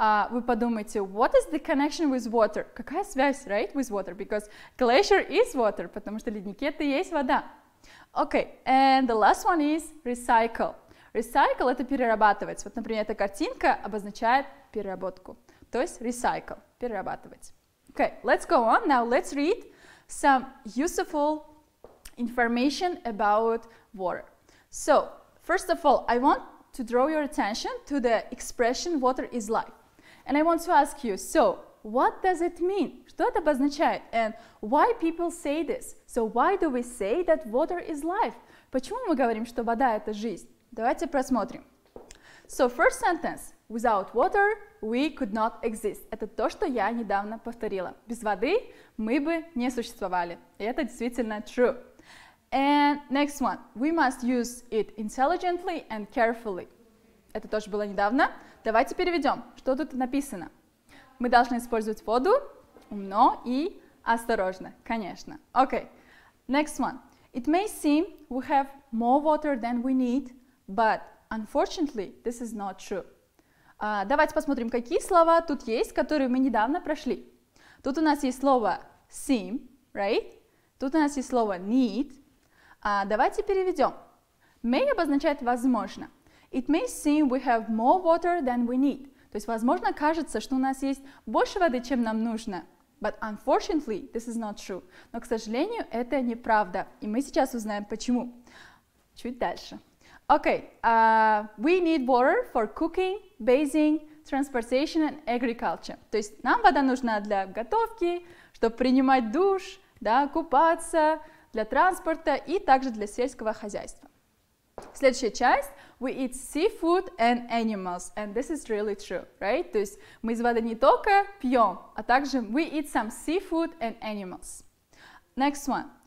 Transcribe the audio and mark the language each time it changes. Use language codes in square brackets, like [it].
[ru] Вы подумайте, [en] what is the connection with water? [ru] Какая связь, [en] right, with water? Because glacier is water, [ru] потому что ледники — это и есть вода. [en] Okay, and the last one is recycle. Recycle — [ru] это перерабатывать. Вот, например, эта картинка обозначает переработку. То есть recycle — перерабатывать. [en] Okay, let's go on. Now let's read some useful information about water. So, first of all, I want to draw your attention to the expression water is life. And I want to ask you, so, what does it mean? [ru] Что это обозначает? [en] And why people say this? So, why do we say that water is life? [ru] Почему мы говорим, что вода — это жизнь? Давайте просмотрим. [en] So, first sentence. Without water, we could not exist. [ru] Это то, что я недавно повторила. Без воды мы бы не существовали. И это действительно true. [en] And next one. We must use it intelligently and carefully. [ru] Это тоже было недавно. Давайте переведем. Что тут написано? Мы должны использовать воду умно и осторожно, конечно. [en] Okay. Next one. It may seem we have more water than we need. But, unfortunately, this is not true. [ru] Давайте посмотрим, какие слова тут есть, которые мы недавно прошли. Тут у нас есть слово seem, right? Тут у нас есть слово need. Давайте переведем. May обозначает возможно. [en] It may seem we have more water than we need. [ru] То есть, возможно, кажется, что у нас есть больше воды, чем нам нужно. [en] But, unfortunately, this is not true. [ru] Но, к сожалению, это неправда. И мы сейчас узнаем, почему. Чуть дальше. [en] Okay, we need water for cooking, bathing, transportation and agriculture. [ru] То есть нам вода нужна для готовки, чтобы принимать душ, да, купаться, для транспорта и также для сельского хозяйства. Следующая часть. [en] We eat seafood and animals. And this is really true, right? [ru] То есть мы из воды не только пьем, а также [en] we eat some seafood and animals. Next one.